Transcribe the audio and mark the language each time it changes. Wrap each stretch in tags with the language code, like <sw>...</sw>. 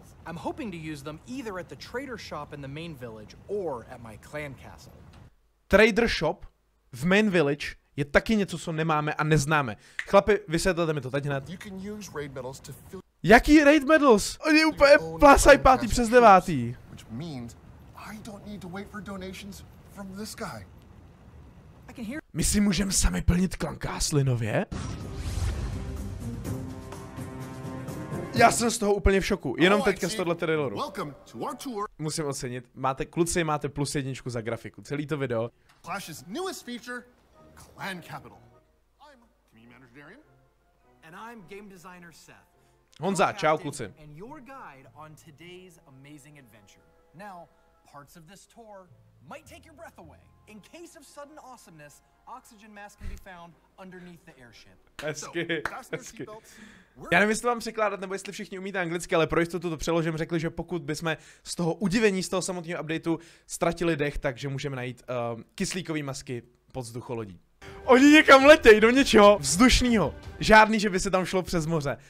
<en>I'm hoping to use them either at the trader shop in the main village or at my clan castle.</en> <cs>Trader shop v main village je taky něco, co nemáme a neznáme. Chlapi, vysvětlete mi to teď hned.</cs> <en>You can use raid medals to fill.</en> <cs>Jaký raid medals? Oni úplně plásají pátý přes devátý.</cs> <en>Which means I don't need to wait for donations from this guy.</en> <cs>My si můžeme sami plnit Clan Castle nově? Já jsem z toho úplně v šoku, jenom teďka z tohle traileru. Musím ocenit, máte, kluci máte plus jedničku za grafiku, celý to video.</cs> <en>Clash's newest feature, Clan Capital. I'm community manager Darian. And I'm game designer Seth.</en> <cs>Honza, čau kluci.</cs> <en>And your guide on today's amazing adventure. Now, parts of this tour might take your breath away. In case of sudden awesomeness, oxygen mask can be found underneath the airship.</en> <cs>Hezky. Já nevím, jestli vám překládat, nebo jestli všichni umíte anglicky, ale pro jistotu to přeložím, řekli, že pokud bychom z toho udivení, z toho samotného updateu ztratili dech, takže můžeme najít kyslíkové masky pod vzducholodí. Oni někam letějí do něčeho vzdušného. Žádný, že by se tam šlo přes moře.</cs>